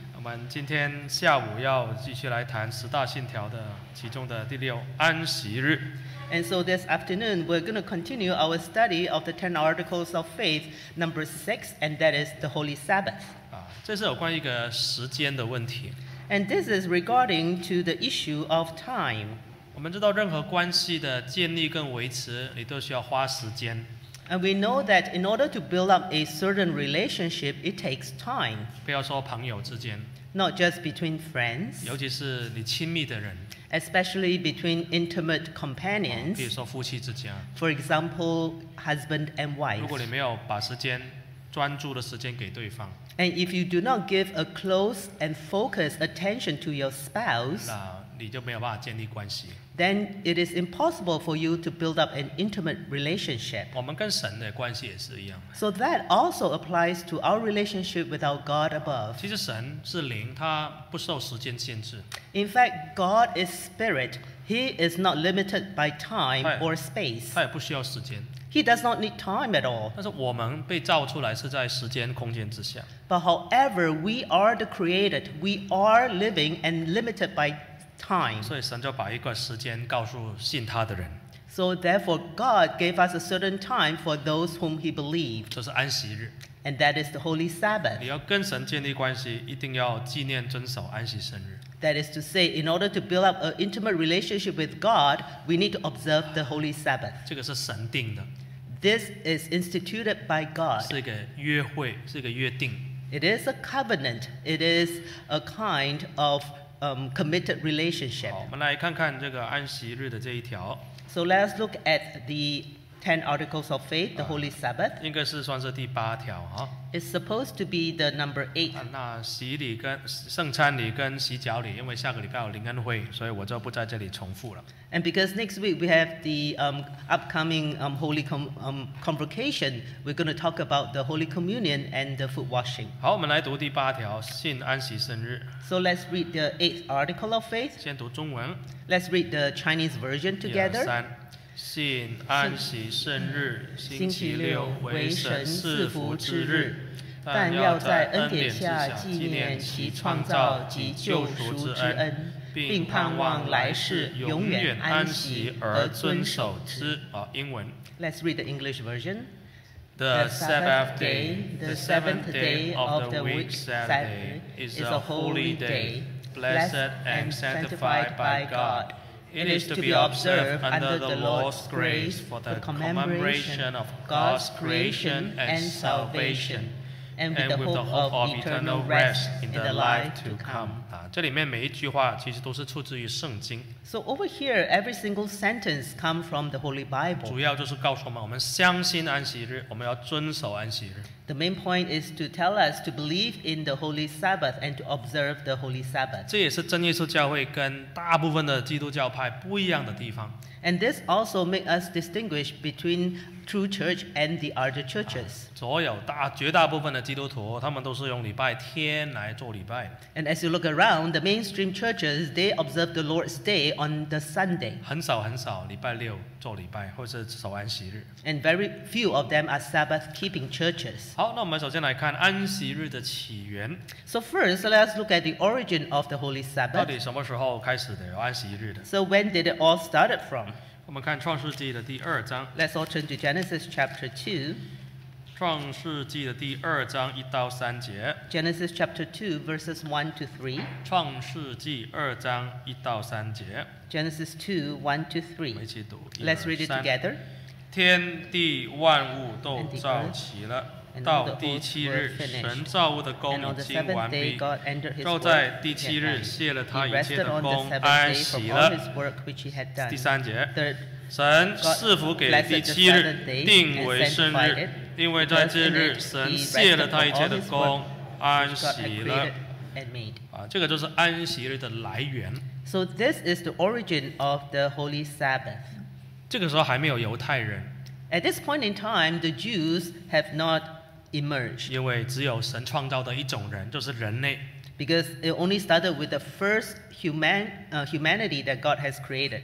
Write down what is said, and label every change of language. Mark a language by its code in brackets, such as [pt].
[zh] 我们今天下午要继续来谈十大信条的其中的第六安息日。 [en] And so this afternoon, we're going to continue our study of the 10 articles of faith, number 6, and that is the Holy Sabbath. [zh] 这是有关于一个时间的问题。 [en] And this is regarding to the issue of time. [zh] 我们知道任何关系的建立跟维持，你都需要花时间。 [en] And we know that in order to build up a certain relationship, it takes time. [zh] 不要说朋友之间。 [en] Not just between friends. [zh] 尤其是你亲密的人。 [en] Especially between intimate companions. [zh] 比如说夫妻之间。 [en] For example, husband and wife. [zh] 如果你没有把时间专注的时间给对方。 [en] And if you do not give a close and focused attention to your spouse, [zh] 那你就没有办法建立关系。 [en] Then it is impossible for you to build up an intimate relationship. [zh] 我们跟神的关系也是一样。 [en] So that also applies to our relationship with our God above. [zh] 其实神是灵，他不受时间限制。 [en] In fact, God is spirit. He is not limited by time or space. [zh] 他也不需要时间。 [en] He does not need time at all. [zh] 但是我们被造出来是在时间空间之下。 [en] But however, we are the created. We are living and limited by time. Time. [zh] 所以神就把一个时间告诉信他的人。 [en] So therefore, God gave us a certain time for those whom He believed. [zh] 就是安息日。 [en] And that is the Holy Sabbath. [zh] 你要跟神建立关系，一定要纪念遵守安息生日。 [en] That is to say, in order to build up an intimate relationship with God, we need to observe the Holy Sabbath. [zh] 这个是神定的。 [en] This is instituted by God. [zh] 是一个约会，是一个约定。 [en] It is a covenant. It is a kind of committed relationship. [zh] 好，我们来看看这个安息日的这一条。 [en] So let's look at the 10 articles of faith, the Holy Sabbath. [zh] 应该是算是第八条啊。 [en] It's supposed to be the number 8. [zh] 那洗礼跟圣餐礼跟洗脚礼，因为下个礼拜有灵恩会，所以我就不在这里重复了。 [en] And because next week we have the upcoming Holy Convocation, we're going to talk about the Holy Communion and the foot washing. [zh] 好，我们来读第八条，信安息圣日。 [en] So let's read the 8th article of faith. [zh] 先读中文。 [en] Let's read the Chinese version together. [zh] 1, 2, 3信安息圣日，星期六为神赐福之日，但要在恩典下纪念其创造及救赎之恩，并盼望来世永远安息而遵守之。英文。 [en] Let's read the English version. The Sabbath day, the seventh day of the week, Saturday, is a holy day, blessed and sanctified by God. It is to be observed under the Lord's grace for the commemoration of God's creation and salvation, and with the hope of eternal rest in the life to come. [zh] 这里面每一句话其实都是出自于圣经。 [en] So over here, every single sentence comes from the Holy Bible. [zh] 主要就是告诉我们，我们相信安息日，我们要遵守安息日。 [en] The main point is to tell us to believe in the Holy Sabbath and to observe the Holy Sabbath. [zh] 这也是真耶稣教会跟大部分的基督教派不一样的地方。 [en] And this also makes us distinguish between true church and the other churches. [zh] 所有大绝大部分的基督徒，他们都是用礼拜天来做礼拜。 [en] And as you look around, the mainstream churches, they observe the Lord's Day on the Sunday. [zh] 很少很少礼拜六做礼拜，或者是守安息日。 [en] And very few of them are Sabbath-keeping churches. [zh] 好，那我们首先来看安息日的起源。 [en] So first, let's look at the origin of the Holy Sabbath. [zh] 到底什么时候开始的有安息日的 [en] ？So when did it all started from? [zh] 我们看创世纪的第二章。 [en] Let's all turn to Genesis chapter 2. [zh] 创世纪的第二章一到三节。 [en] Genesis chapter 2 verses 1 to 3. [zh] 创世纪二章一到三节。 [en] Genesis 2, 1 to 3. Let's read it together. [zh] 天地万物都造齐了。到第七日，神造物的工已经完毕，就在第七日卸了他一切的工，安息了。第三节，神赐福给第七日，定为圣日，因为在这日神卸了他一切的工，安息了。这个就是安息日的来源。 [en] So this is the origin of the Holy Sabbath. [zh] 这个时候还没有犹太人。 [en] At this point in time, the Jews have not emerged. [zh] 因为只有神创造的一种人，就是人类。 [en] Because it only started with the first humanity that God has created.